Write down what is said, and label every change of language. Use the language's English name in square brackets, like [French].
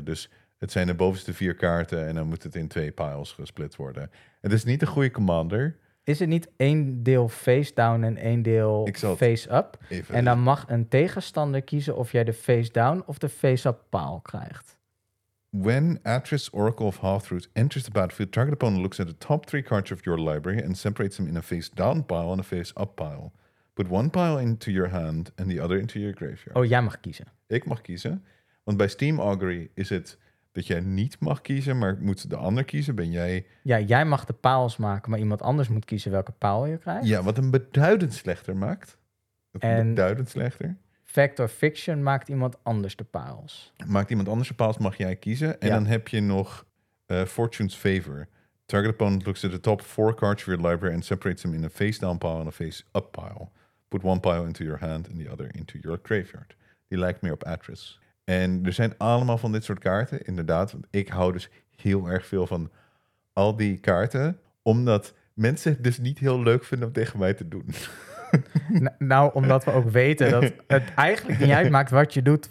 [Dutch] Dus het zijn de bovenste 4 kaarten en dan moet het in 2 piles gesplit worden. Het is niet een goede commander... Is het niet één deel face down en één deel face up? En dan mag een tegenstander kiezen of jij de face down of de face up paal krijgt. [English] When Atriss, Oracle of Hearthroots enters the battlefield, target opponent looks at the top 3 cards of your library and separates them in a face down pile and a face up pile. Put one pile into your hand and the other into your graveyard. [Dutch] Oh, jij mag kiezen. Ik mag kiezen. Want bij Steam Augury is het... Dat jij niet mag kiezen, maar moet de ander kiezen, ben jij... Ja, jij mag de paals maken, maar iemand anders moet kiezen welke paal je krijgt. Ja, wat hem beduidend slechter maakt. Beduidend slechter. Fact or fiction maakt iemand anders de paals. Maakt iemand anders de paals, mag jij kiezen. En dan heb je nog Fortune's Favor. [English] Target opponent looks at the top 4 cards of your library and separates them in a face down pile and a face up pile. Put one pile into your hand and the other into your graveyard. [Dutch] Die lijkt meer op Atriss. En er zijn allemaal van dit soort kaarten, inderdaad. Want ik hou dus heel erg veel van al die kaarten. Omdat mensen het dus niet heel leuk vinden om tegen mij te doen. Nou, omdat we ook weten dat het eigenlijk niet uitmaakt wat je doet.